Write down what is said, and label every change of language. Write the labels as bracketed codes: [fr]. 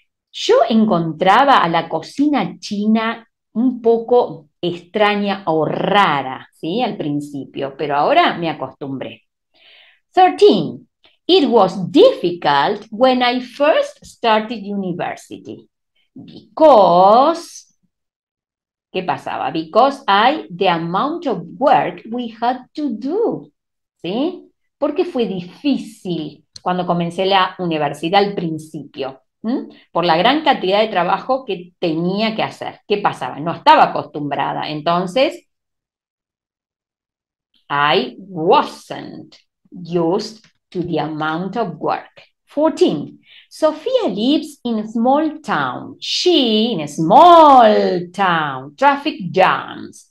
[es] Yo encontraba a la cocina china un poco extraña o rara, ¿sí? Al principio, pero ahora me acostumbré. 13. [en] It was difficult when I first started university. [es] Because, ¿qué pasaba? [en] Because I, the amount of work we had to do, ¿sí? [es] Porque fue difícil cuando comencé la universidad al principio, por la gran cantidad de trabajo que tenía que hacer. ¿Qué pasaba? No estaba acostumbrada. [en] Entonces, I wasn't used to the amount of work. 14. Sophia lives in a small town. She in a small town. Traffic jams.